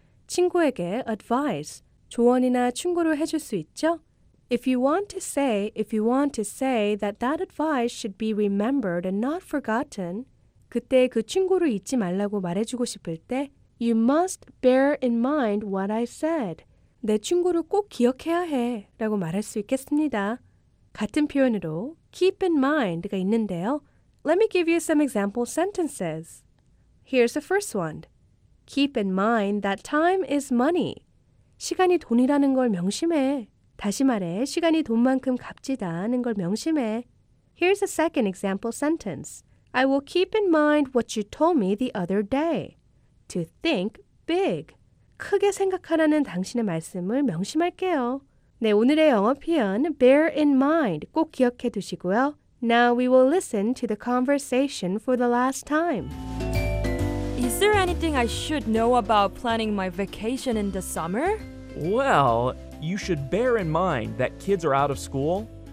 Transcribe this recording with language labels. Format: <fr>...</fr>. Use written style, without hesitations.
<ko>친구에게 advice, 조언이나 충고를 해줄 수 있죠?</ko> <en>If you want to say that that advice should be remembered and not forgotten,</en> <ko>그때 그 충고를 잊지 말라고 말해주고 싶을 때,</ko> <en>you must bear in mind what I said.</en> <ko>내 충고를 꼭 기억해야 해 라고 말할 수 있겠습니다. 같은 표현으로</ko> <en>keep in mind가 있는데요. Let me give you some example sentences. Here's the first one. Keep in mind that time is money.</en> <ko>시간이 돈이라는 걸 명심해. 다시 말해, 시간이 돈만큼 값지다 하는 걸 명심해.</ko> <en>Here's a second example sentence. I will keep in mind what you told me the other day. To think big.</en> <ko>크게 생각하라는 당신의 말씀을 명심할게요. 네, 오늘의 영어 표현 bear in mind 꼭 기억해 두시고요.</ko> <en>Now we will listen to the conversation for the last time. Is there anything I should know about planning my vacation in the summer? Well, you should bear in mind that kids are out of school.</en>